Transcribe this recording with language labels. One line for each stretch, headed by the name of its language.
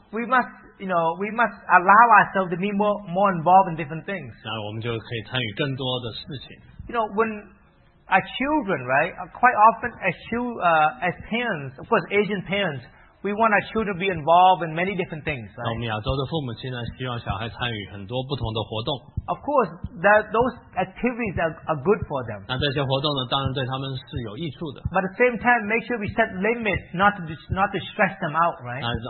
English: we must allow ourselves to be more involved in different things.
Chinese: 那我们就可以参与更多的事情.
English: You know, when our children, right, quite often as parents, of course, Asian parents, we want our children to be involved in many different things. Right?
Chinese: 那我们亚洲的父母亲呢, 希望小孩参与很多不同的活动.
English: Of course, those activities are good for them.
Chinese: 那这些活动呢, 当然对他们是有益处的.
English: But at the same time, make sure we set limits not to stress them out, right?